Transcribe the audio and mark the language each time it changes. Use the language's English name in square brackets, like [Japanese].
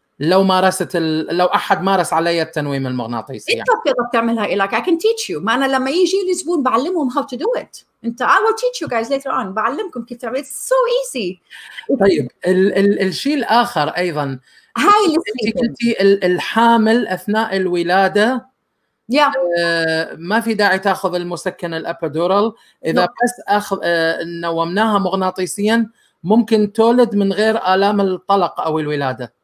[Arabic] لو مارست لو أحد مارس علي التنويم المغناطيسي أنت بتقدر تعملها إلك [English] I can teach you [Arabic] ما أنا لما يجي لي زبون بعلمهم [English] how to do it [Arabic] أنت [English] I will teach you guys later on [Arabic] بعلمكم كيف تعمل [English] it's so easy [Arabic] طيب الشيء الآخر أيضا هاي اللي كنتي الحامل أثناء الولادة ما في داعي تأخذ المسكن الأبيدورال إذا بس أخذ نومناها مغناطيسيا ممكن تولد من غير آلام الطلق أو الولادة